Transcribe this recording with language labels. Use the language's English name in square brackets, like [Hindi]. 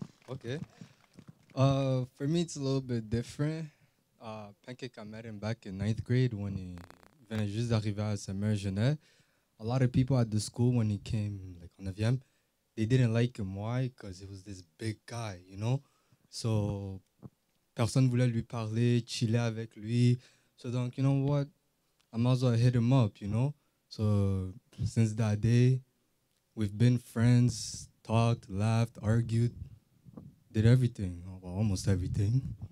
[English] Okay. For me, it's a little bit different. Pancake, I met him back in ninth grade when he [French] venait juste d'arriver à sa mère Jeunet. [English] A lot of people at the school when he came, like on 9th, they didn't like him. Why? Because he was this big guy, you know? [French] So, personne voulait lui parler, chiller avec lui. [English] So, donc, you know what? I might as well hit him up, you know? So, since that day, we've been friends, talked, laughed, argued, did everything, well, almost everything.